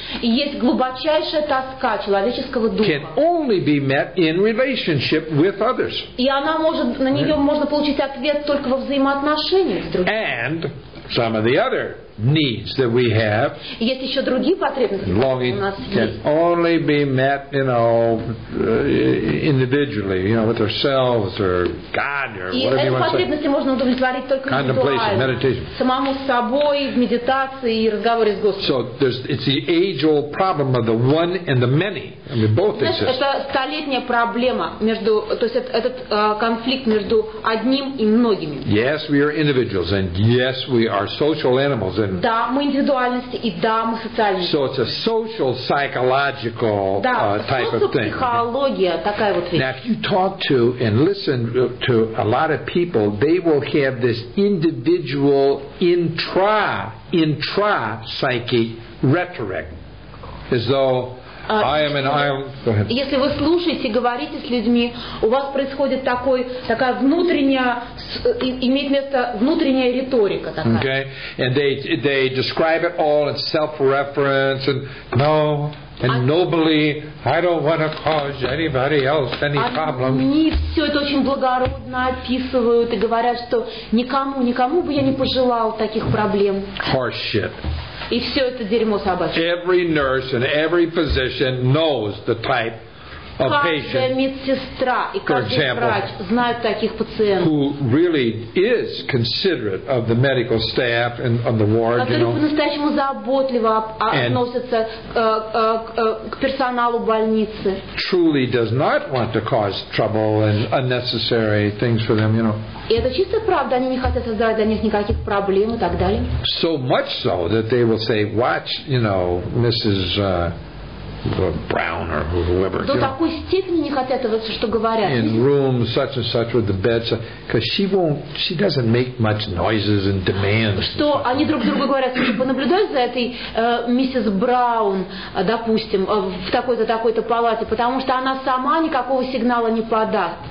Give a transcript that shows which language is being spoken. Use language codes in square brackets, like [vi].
[ru] И есть глубочайшая тоска человеческого духа. [en] Can only be met in relationship with others. [ru] И она может, на нее можно получить ответ только во взаимоотношениях с другими. [en] And some of the other needs that we have. [ru] Есть еще другие потребности. [en] Longing can only be met, you know, individually, you know, with ourselves or God or whatever you want to say. [ru] И эти потребности можно удовлетворить только индивидуально. [en] Contemplation, meditation. [ru] Самому с собой, в медитации и разговоре с Господом. [en] So there's it's the age-old problem of the one and the many. I mean, both exist. [ru] Это столетняя проблема между, то есть этот конфликт между одним и многими. [en] Yes, we are individuals, and yes, we are social animals. [ru] Да, мы индивидуальности, и да, мы социальности. [en] So it's a social, psychological type of thing. [ru] Да, социопсихология такая вот вещь. [en] Now, if you talk to and listen to a lot of people, they will have this individual intra psychic rhetoric, as though I am an island. Go ahead. [ru] Если вы слушаете, говорите с людьми, у вас происходит такая внутренняя, имеет место внутренняя риторика такая. [en] Okay. And they describe it all in self-reference and no. And nobly, I don't want to cause anybody else any problems. [ru] Они все это очень благородно описывают и говорят, что никому бы я не пожелал таких проблем. [en] Horse shit. [ru] И все это дерьмо собачье. [en] Every nurse and every physician knows the type of patient. [ru] Каждая медсестра и каждый врач знает таких пациентов. [en] Who really is considerate of the medical staff and on the ward, you know. [ru] Которые по-настоящему заботливо относятся к персоналу больницы. [en] Truly does not want to cause trouble and unnecessary things for them, you know. [ru] И это чистая правда, они не хотят создавать для них никаких проблем и так далее. [en] So much so that they will say, watch, you know, Mrs. Brown or whoever. [ru] До такой степени не хотят этого, что говорят. [en] In rooms such and such with the beds, because she doesn't make much noises and demands. [ru] Что они друг другу говорят, что понаблюдают за этой миссис Браун, допустим, в такой-то палате, потому что она сама никакого сигнала не подаст.